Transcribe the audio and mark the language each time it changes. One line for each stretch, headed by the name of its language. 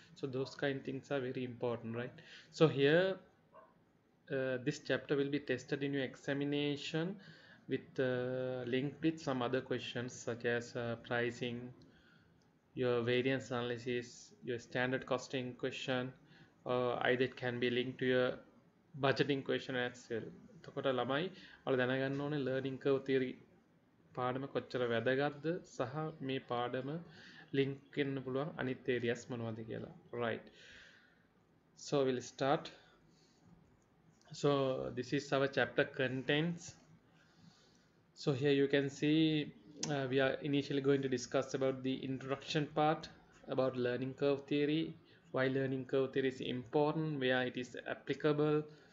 English: So those kind of things are very important, right? So here this chapter will be tested in your examination with linked with some other questions such as pricing, your variance analysis, your standard costing question, or either it can be linked to your budgeting question as well.
Sinhala: එතකොට ළමයි ඔයාලා දැනගන්න ඕනේ learning curve theory පාඩම කොච්චර වැදගත්ද සහ මේ පාඩම link වෙන්න පුළුවන් අනිත් areas මොනවද කියලා.
English: Right. So we'll start. So this is our chapter contents. So here you can see we are initially going to discuss about the introduction part about learning curve theory, why learning curve theory is important, where it is applicable.